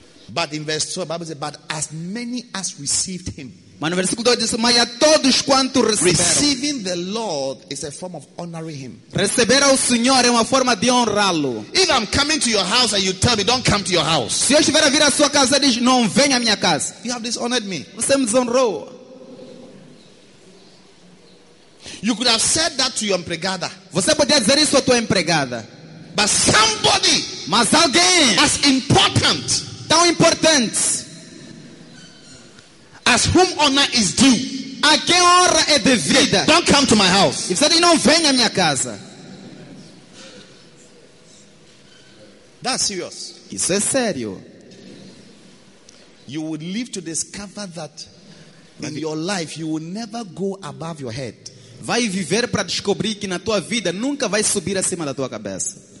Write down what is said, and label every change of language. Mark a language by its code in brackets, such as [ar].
[en] But in verse 2, the Bible says, but as many as received him. [pt] Mas no versículo 2 diz, mas a todos quanto receberam. [en] Receiving the Lord is a form of honoring him. [pt] Receber ao Senhor é uma forma de honrá-lo. [en] If I'm coming to your house and you tell me, don't come to your house. [pt] Se eu estiver a vir à sua casa, diz, não venha à minha casa. [en] You have dishonored me. [pt] Você me desonrou. [en] You could have said that to your empregada. [pt] Você podia dizer isso à tua empregada. [en] But somebody. [pt] Mas alguém. [en] As important. [pt] Tão importante. [en] As whom honor is due. [pt] A quem honra é devida. [en] Don't come to my house. If said, [pt] não venha à minha casa. [en] That's serious. [pt] Isso é sério. [en] You would live to discover that in your life you will never go above your head. [pt] Vai viver para descobrir que na tua vida nunca vai subir acima da tua cabeça.